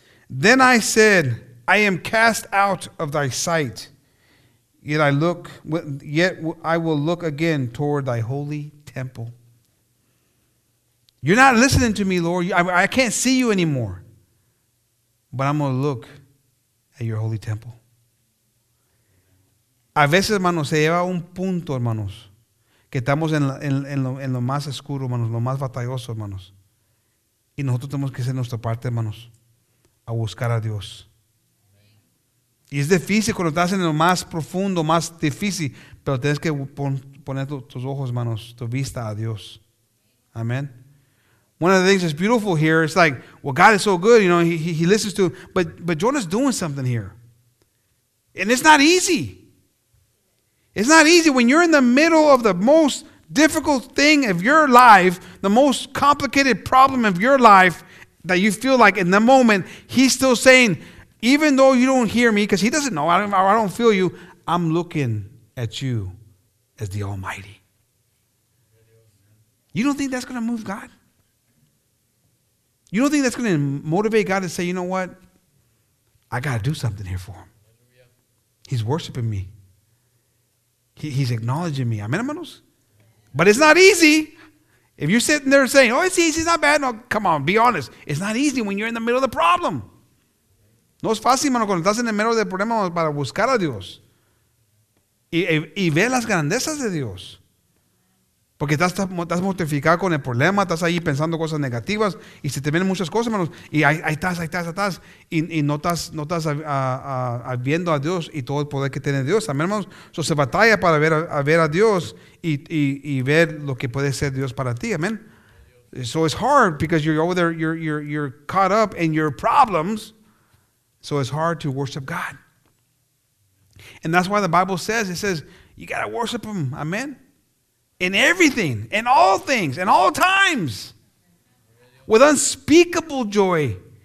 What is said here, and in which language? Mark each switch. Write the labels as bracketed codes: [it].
[en] Then I said, I am cast out of thy sight, yet I will look again toward thy holy temple. You're not listening to me, Lord. I can't see you anymore. But I'm going to look at your holy temple. [es] A veces, hermanos, se lleva un punto, hermanos, que estamos en lo más oscuro, hermanos, lo más batalloso, hermanos. Y nosotros tenemos que ser nuestra parte, hermanos. A buscar a Dios. Y es difícil cuando estás en lo más profundo, más difícil, pero tienes que poner tus ojos, manos, tu vista a Dios. Amen. [en] One of the things that's beautiful here, it's like, well, God is so good, you know, he listens to him, but Jonah's doing something here. And it's not easy. It's not easy when you're in the middle of the most difficult thing of your life, the most complicated problem of your life that you feel like in the moment, he's still saying, even though you don't hear me, because he doesn't know, I don't feel you, I'm looking at you as the Almighty. You don't think that's going to move God? You don't think that's going to motivate God to say, you know what? I got to do something here for him. He's worshiping me. He's acknowledging me. Amen, hermanos? But it's not easy. If you're sitting there saying, oh, it's easy, it's not bad. No, come on, be honest. It's not easy when you're in the middle of the problem. [es] No es fácil, hermano, cuando estás en el medio del problema para buscar a Dios. Y ve las grandezas de Dios. Porque estás mortificado con el problema, estás ahí pensando cosas negativas y se te vienen muchas cosas, hermanos. Y ahí estás. Y no estás viendo a Dios y todo el poder que tiene Dios. Amén, hermanos. Eso se batalla para ver a Dios y ver lo que puede ser Dios para ti. Amén. [en] So it's hard because you're over there, you're caught up in your problems. So it's hard to worship God. And that's why the Bible says, it says, you got to worship him. Amen. In everything, in all things, in all times, with unspeakable joy.